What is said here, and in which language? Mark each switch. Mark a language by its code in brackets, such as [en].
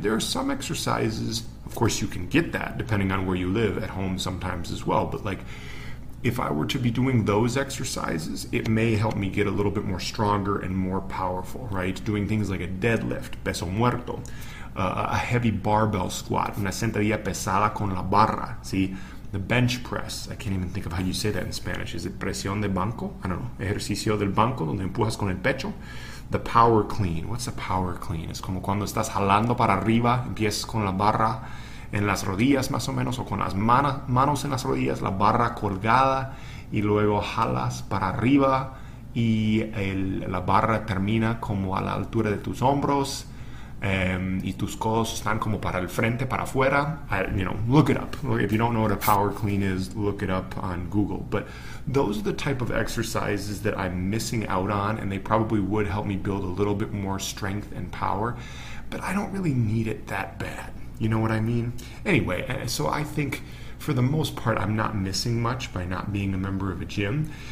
[en] There are some exercises, of course you can get that depending on where you live, at home sometimes as well, but like if I were to be doing those exercises, it may help me get a little bit more stronger and more powerful, right? Doing things like a deadlift, [es] peso muerto, [en] a heavy barbell squat, [es] una sentadilla pesada con la barra, [en] see? The bench press, I can't even think of how you say that in Spanish. Is it [es] presión de banco? [en] I don't know. [es] Ejercicio del banco, donde empujas con el pecho. [en] The power clean, what's a power clean? [es] Es como cuando estás jalando para arriba, empiezas con la barra en las rodillas más o menos, o con las manos en las rodillas, la barra colgada, y luego jalas para arriba, y la barra termina como a la altura de tus hombros, y tus codos están como para el frente, para afuera. [en] Look it up. If you don't know what a power clean is, look it up on Google. But those are the type of exercises that I'm missing out on, and they probably would help me build a little bit more strength and power, but I don't really need it that bad. You know what I mean? Anyway, so I think for the most part, I'm not missing much by not being a member of a gym.